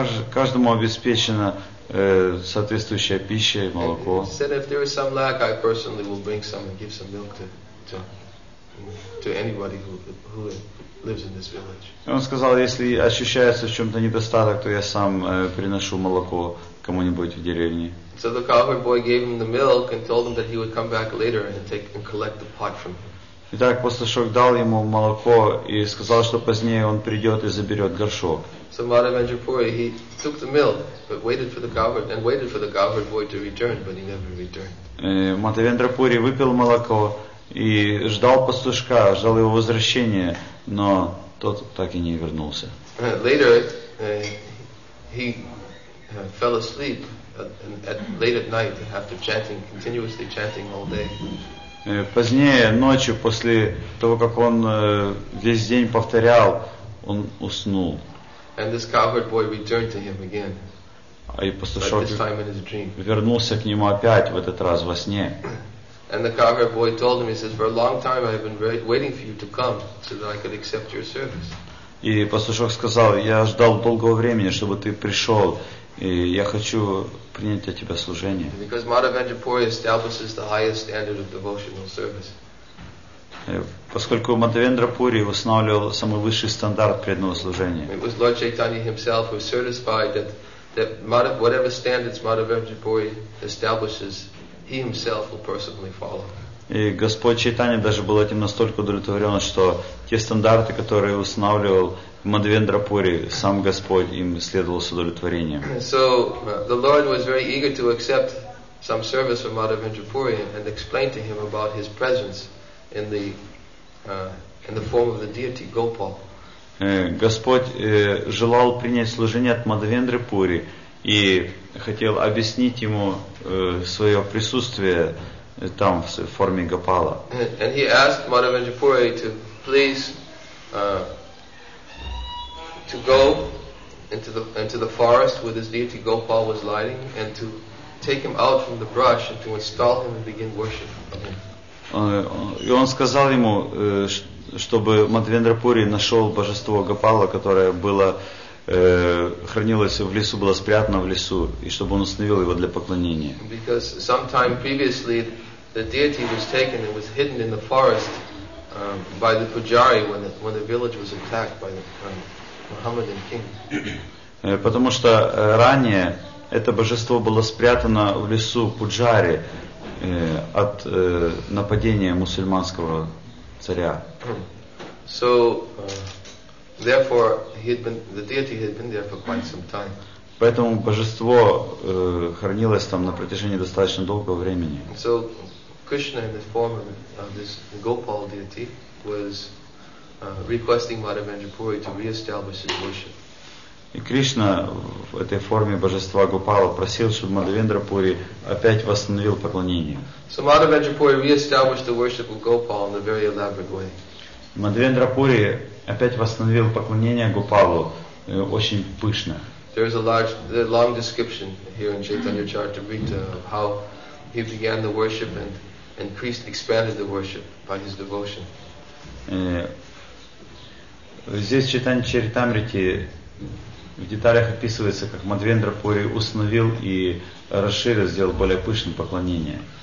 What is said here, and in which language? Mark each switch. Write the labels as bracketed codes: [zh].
[ru] Каждому обеспечена соответствующая пища и молоко. [en] He said, if there is some lack, I personally will bring some and give some milk to anybody who lives in this village. [ru] Он сказал, если ощущается в чем-то недостаток, то я сам приношу молоко кому-нибудь в деревне. [en] So the cowherd boy gave him the milk and told him that he would come back later and take and collect the pot from him. [ru] Итак, пастушок дал ему молоко и сказал, что позднее он придет и заберет горшок. [en] So Madhavendra Puri, he took the milk but waited for the cowherd boy to return, but he never returned. [ru] Мадхавендра Пури выпил молоко и ждал пастушка, ждал его возвращения, но тот так и не вернулся. [en] Later, he fell asleep. Late at night, after chanting, continuously chanting all day. [ru] Позднее ночью, после того как он весь день повторял, он уснул. [en] And this cowherd boy returned to him again. [ru] И пастушок [en] this time in his dream. [ru] Вернулся к нему опять в этот раз во сне. [en] And the cowherd boy told him, he says, for a long time I have been waiting for you to come so that I could accept your service. [ru] И пастушок сказал, я ждал долгого времени, чтобы ты пришел. И я хочу принять от тебя служение. [en] Because Madhavendra Puri establishes the highest standard of devotional service. [ru] Поскольку Мадхавендра Пури устанавливал самый высший стандарт преданного служения. [en] It was Lord Chaitanya himself who certified that whatever standards Madhavendra Puri establishes, he himself will personally follow. [ru] И Господь Чайтанья даже был этим настолько удовлетворен, что те стандарты, которые устанавливал в Мадхавендрапуре, сам Господь им следовал с удовлетворением. [en] So, the Lord was very eager to accept some service from Madhavendrapuri and explain to him about his presence in the form of the deity Gopal. [ru] Господь желал принять служение от Мадхавендрапури и хотел объяснить ему свое присутствие там в форме Гопала. [en] And he asked Madhavendrapuri to please to go into the forest where this deity Gopal was lying and to take him out from the brush and to install him and begin worship of him. [ru] И он сказал ему, чтобы Мадхавендрапури нашел божество Гопала, которое было хранилось в лесу, было спрятано в лесу, и чтобы он установил его для поклонения. [en] Because sometime previously the deity was taken and was hidden in the forest by the pujari when the village was attacked by the Muhammadan king. [ru] Потому что ранее это божество было спрятано в лесу Пуджари от нападения мусульманского царя. [en] So, therefore, the deity had been there for quite some time. [ru] Поэтому божество хранилось там на протяжении достаточно долгого времени. [en] So, Krishna, in the form of this Gopal deity, was requesting Madhavendrapuri to reestablish his worship. [ru] И Кришна в этой форме божества Гопала просил, чтобы Мадхавендрапури опять восстановил поклонение. [en] So Мадхавендрапури reestablished the worship of Gopal in a very elaborate way. [ru] Мадхавендрапури опять восстановил поклонение Гопалу очень пышно. [en] There is a large, long description here in Chaitanya Charitamrita of how he began the worship and expanded the worship by his devotion. [ru] Здесь Чайтанья Чаритамрити в деталях описывается, как Мадхавендрапури установил и расширил, сделал более пышным поклонение.